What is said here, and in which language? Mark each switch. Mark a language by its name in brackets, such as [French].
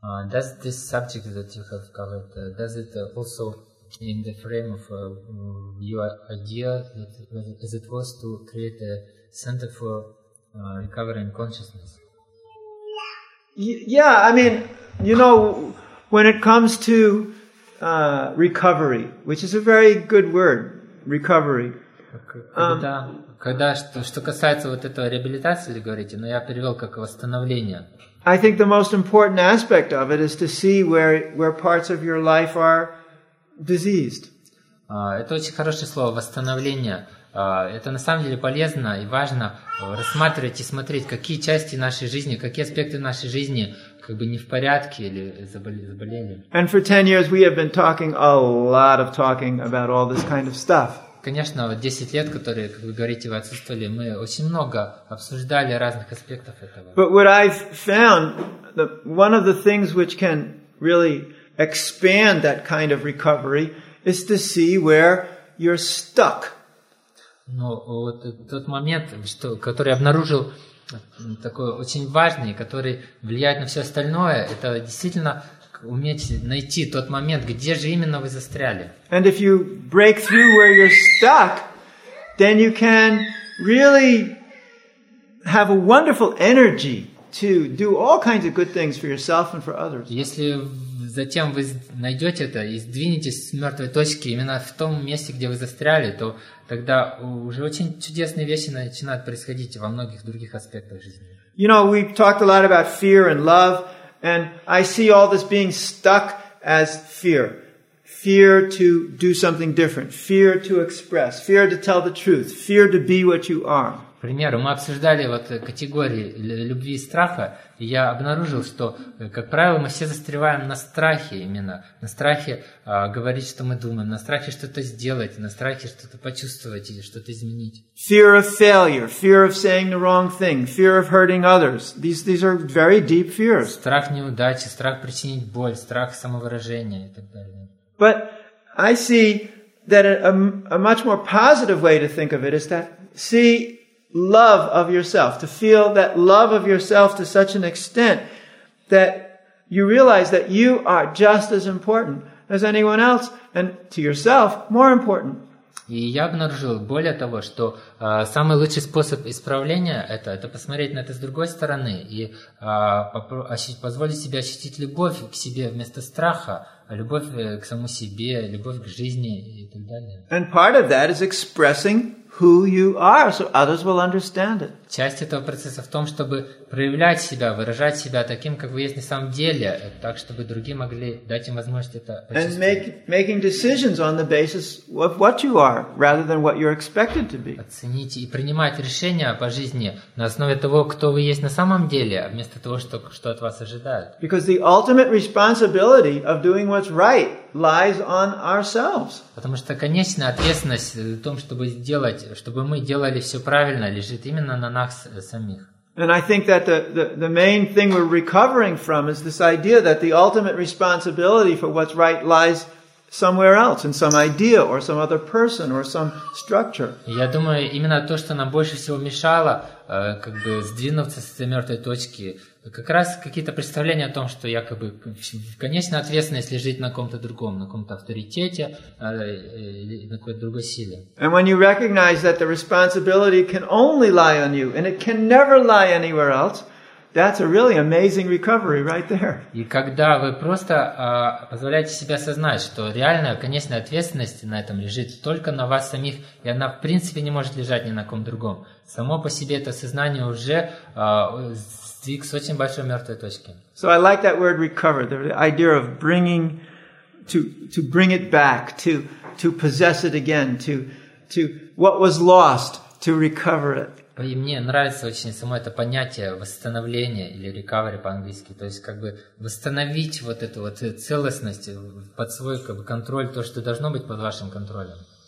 [English] Does this subject that you have covered, does it also in the frame of your idea that, as it was to create a center for recovering consciousness? Yeah, I mean, you know, when it comes to recovery, which is a very good word, recovery. [Russian] Когда, когда что касается вот этого реабилитации, вы говорите, но я перевел как восстановление. [English] I think the most important aspect of it is to see where parts of your life are diseased. [Russian] Это очень хорошее слово восстановление. Это на самом деле полезно и важно рассматривать и смотреть, какие части нашей жизни, какие аспекты нашей жизни как бы не в порядке или заболели. [English] And for 10 years we have been talking a lot of talking about all this kind of stuff. [Russian] Конечно, вот 10 лет, которые, как вы говорите, вы отсутствовали, мы очень много обсуждали разных аспектов этого. [English] But what I've found, one of the things which can really expand that kind of recovery is to see where you're stuck. [Russian] Ну, вот тот момент, что, который я обнаружил, такой очень важный, который влияет на все остальное, это действительно уметь найти тот момент, где же именно вы застряли. [English] And if you break through where you're stuck, then you can really have a wonderful energy to do all kinds of good things for yourself and for others. [Russian] Если затем вы найдете это и сдвинетесь с мертвой точки именно в том месте, где вы застряли, то тогда уже очень чудесные вещи начинают происходить во многих других аспектах жизни. [English] You know, we've talked a lot about fear and love, and I see all this being stuck as fear. Fear to do something different. Fear to express. Fear to tell the truth. Fear to be what you are. [Russian] примеру, мы обсуждали вот категории любви и страха, и я обнаружил, что, как правило, мы все застреваем на страхе именно, на страхе говорить, что мы думаем, на страхе что-то сделать, на страхе что-то почувствовать или что-то изменить. [English] Fear of failure, fear of saying the wrong thing, fear of hurting others. These are very deep fears. [Russian] Страх неудачи, страх причинить боль, страх самовыражения и так далее. [English] But I see that a much more positive way to think of it is that see love of yourself, to feel that love of yourself to such an extent that you realize that you are just as important as anyone else, and to yourself, more important. [Russian] И я обнаружил более того, что самый лучший способ исправления это посмотреть на это с другой стороны и позволить себе ощутить любовь к себе вместо страха, любовь к самому себе, любовь к жизни и так далее. [English] And part of that is expressing who you are, so others will understand it. [Russian] Часть этого процесса в том, чтобы проявлять себя, выражать себя таким, как вы есть на самом деле, так чтобы другие могли дать им возможность это почувствовать. [English] And making decisions on the basis of what you are, rather than what you're expected to be. [Russian] Оценить и принимать решения по жизни на основе того, кто вы есть на самом деле, вместо того, что от вас ожидают. [English] Because the ultimate responsibility of doing what's right lies on ourselves. [Russian] Потому что конечная ответственность в том, чтобы сделать, чтобы мы делали все правильно, лежит именно на нас самих. [English] And I think that the main thing we're recovering from is this idea that the ultimate responsibility for what's right lies somewhere else, in some idea or some other person or some structure. [Russian] Я думаю, именно то, что нам больше всего мешало, как бы сдвинуться с этой мертвой точки, как раз какие-то представления о том, что якобы конечная ответственность лежит на ком-то другом, на ком-то авторитете, на какой-то другой силе. [English] And when you recognize that the responsibility can only lie on you and it can never lie anywhere else, that's a really amazing recovery right there. [Russian] И когда вы просто позволяете себе осознать, что реальная конечная ответственность на этом лежит только на вас самих, и она в принципе не может лежать ни на ком другом. Само по себе это сознание уже сдвиг с очень большой мертвой точки. [English] So I like that word recover, the idea of bringing to bring it back, to possess it again, to what was lost, to recover it. [Russian] И мне нравится очень само это понятие восстановления или recovery по-английски, то есть как бы восстановить вот эту вот целостность под свой как бы контроль, то, что должно быть под вашим контролем.